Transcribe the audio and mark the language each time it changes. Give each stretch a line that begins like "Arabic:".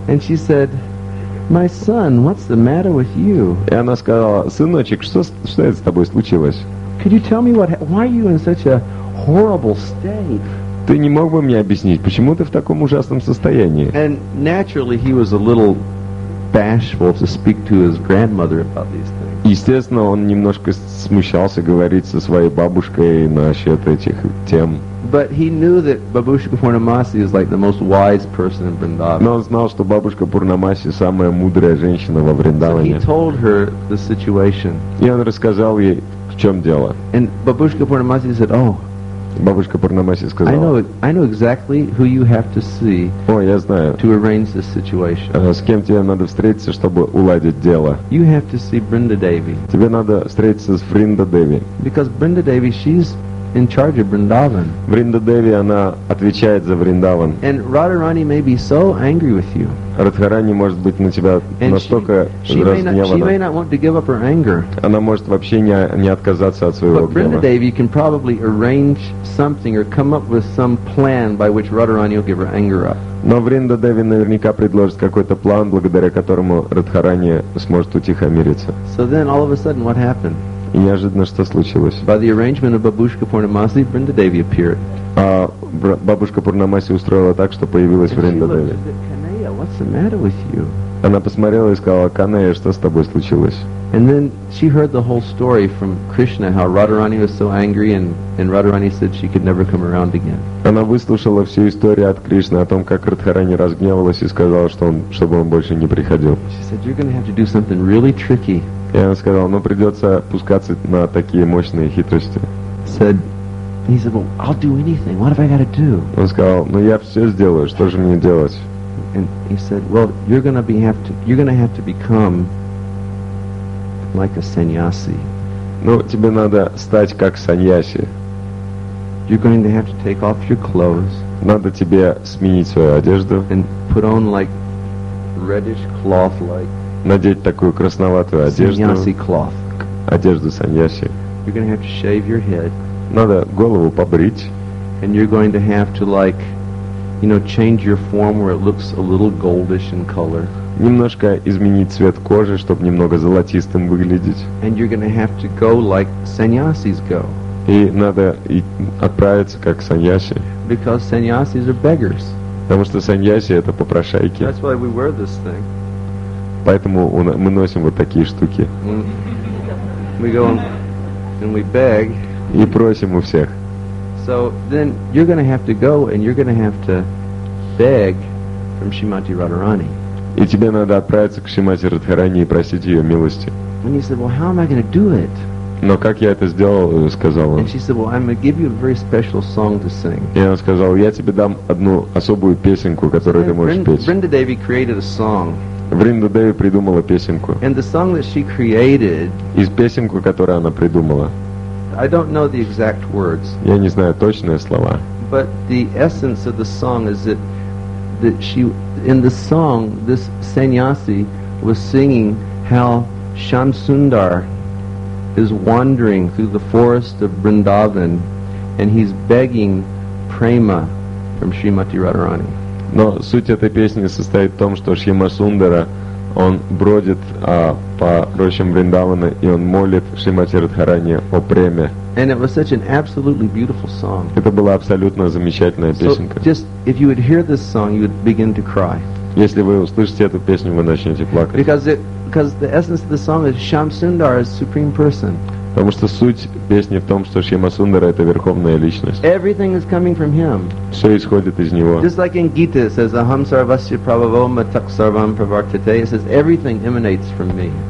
English: And she said, "My son, what's the matter with you?"
Russian: И она сказала: сыночек, что это с тобой случилось?
English: Could you tell me why are you in such a horrible state?
Russian: Ты не мог бы мне объяснить, почему ты в таком ужасном состоянии?
English: And naturally, he was a little bashful to speak to his grandmother about these things.
Russian: Естественно, он немножко смущался говорить со своей бабушкой насчет этих тем.
English: But he knew that Бабушка Пурнамаси is like the most wise person in Vrindavan.
Russian: Но он знал, что Бабушка Пурнамаси самая мудрая женщина во Вриндаване.
English: So he told her the situation.
Russian: И он рассказал ей, в чем дело.
English: And Бабушка Пурнамаси said, "Oh."
Russian: Бабушка Пурнамаси сказала:
English: I know exactly who you have to see.
Russian: О, я знаю.
English: To arrange this situation.
Russian: С кем тебе надо встретиться, чтобы уладить дело?
English: You have to see Brinda Devi.
Russian: Тебе надо встретиться с Бринда Деви.
English: Because Brinda Devi, she's in charge of Vrindavan.
Russian: Бринда Деви, она отвечает за Вриндаван.
English: And Radharani may be so angry with you.
Russian: Радхарани может быть на тебя настолько разгневана.
English: She may not want to give up her anger.
Russian: Она может вообще не отказаться от своего гнева.
English: But Brinda Devi can probably arrange something or come up with some plan by which Radharani will give her anger up.
Russian: Но Бринда Деви наверняка предложит какой-то план, благодаря которому Радхарани сможет утихомириться.
English: So then all of a sudden what happened?
Russian: И неожиданно что случилось?
English: By the arrangement of Бабушка Пурнамаси, Бринда Деви appeared.
Russian: А Бабушка Пурнамаси устроила так, что появилась Бринда Деви.
English: What's the matter with you?
Russian: Она посмотрела и сказала: Канея, что с тобой случилось?
English: And then she heard the whole story from Krishna, how Radharani was so angry, and Radharani said she could never come around again.
Russian: Она выслушала всю историю от Кришны о том, как Радхарани разгневалась и сказала, чтобы он больше не приходил.
English: She said, "You're going to have to do something really tricky."
Russian: И она сказала: придется пускаться на такие мощные хитрости.
English: Said, And he said, "Well, I'll do anything. What have I got to do?"
Russian: Он сказал, "Ну я все сделаю. Что же мне делать?"
English: And he said, "Well, you're gonna have to become like a sannyasi."
Russian: Ну тебе надо стать как саньяси.
English: You're going to have to take off your clothes.
Russian: Надо тебе сменить свою одежду.
English: And put on like reddish cloth, like.
Russian: Надеть такую красноватую одежду.
English: Sannyasi cloth.
Russian: Одежду саньяси.
English: You're gonna have to shave your head.
Russian: Надо голову побрить.
English: And you're going to have to, like, you know, change your form where it looks a little goldish in color.
Russian: Немножко изменить цвет кожи, чтобы немного золотистым выглядеть.
English: And you're gonna have to go like sannyasis go.
Russian: И надо и отправиться как саньяси.
English: Because sannyasis are beggars.
Russian: Потому что саньяси это попрошайки.
English: That's why we wear this thing.
Russian: Поэтому мы носим вот такие штуки.
English: We go and we beg.
Russian: И просим у всех.
English: So then you're gonna have to go and you're gonna have to beg from Shrimati Radharani.
Russian: И тебе надо отправиться к Шримати Радхарани и просить ее милости.
English: And he said, "Well, how am I gonna do it?"
Russian: Но как я это сделал, сказал он.
English: And she said, "Well, I'm gonna give you a very special song to sing."
Russian: И он сказал, я тебе дам одну особую песенку, которую ты можешь петь.
English: Brinda Devi created a song.
Russian: Brinda Devi придумала песенку.
English: And the song that she created.
Russian: И песенку, которую она придумала.
English: I don't know the exact words.
Russian: Я не знаю точные слова.
English: But the essence of the song is that she, in the song, this sannyasi was singing how Shamsundar is wandering through the forest of Vrindavan and he's begging prema from Shrimati Radharani.
Russian: Но суть этой песни состоит в том, что Шамасундара, он бродит по рощам Вриндавана и он молит Шримати Радхарани о преме.
English: And it was such an absolutely beautiful song.
Russian: Это была абсолютно замечательная песенка.
English: So just if you would hear this song, you would begin to cry.
Russian: Если вы услышите эту песню, вы начнете плакать.
English: Because the essence of the song is Shamsundar is supreme person.
Russian: Потому что суть песни в том, что Шамасундара это верховная личность.
English: Everything is coming from him.
Russian: Все исходит из него.
English: Just like in Gita it says,
Sanskrit: "Aham sarvasya prabhavam atak sarvam pravartate."
English: It says everything emanates from me.